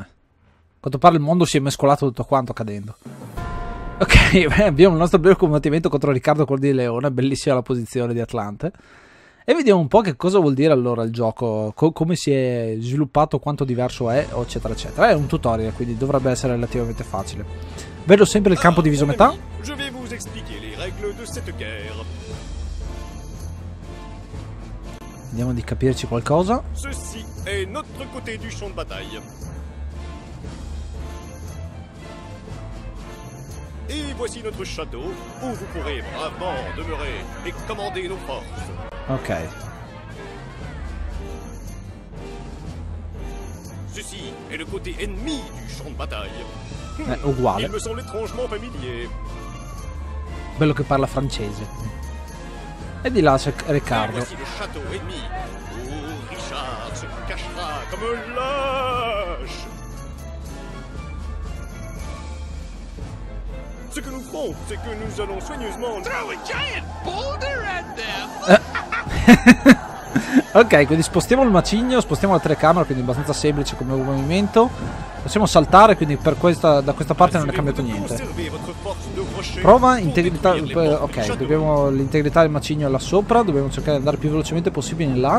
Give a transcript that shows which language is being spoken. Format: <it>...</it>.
<it>A quanto pare il mondo si è mescolato tutto quanto cadendo. Ok, abbiamo il nostro primo combattimento contro Riccardo, cuor di leone. Bellissima la posizione di Atlante. E vediamo un po' che cosa vuol dire allora il gioco, come si è sviluppato, quanto diverso è, eccetera, eccetera. È un tutorial, quindi dovrebbe essere relativamente facile. Vedo sempre il campo diviso a metà.</it> <fr>Je vais vous expliquer les règles de cette guerre.</fr> <it>Vediamo di capirci qualcosa.</it> <fr>Ceci est notre côté du champ de bataille. Et voici notre château où vous pourrez bravement demeurer et commander nos forces. Ok. Ceci est le côté ennemi du champ de bataille.</fr> <it>Uguale.</it> <fr>Il me semble étrangement familier.</fr> <it>Bello che parla francese. E di là c'è Riccardo.</it> <fr>Voici le château ennemi où Richard se cachera comme un lâche. Ce que nous ferons, c'est que nous allons soigneusement</fr> <en>throw a giant boulder at them.</en> <it>Ok, quindi spostiamo il macigno, spostiamo la telecamera, quindi è abbastanza semplice come movimento. Possiamo saltare, quindi per questa, da questa parte non è cambiato niente. Prova integrità. Ok, dobbiamo l'integrità del macigno là sopra, dobbiamo cercare di andare più velocemente possibile in là.</it>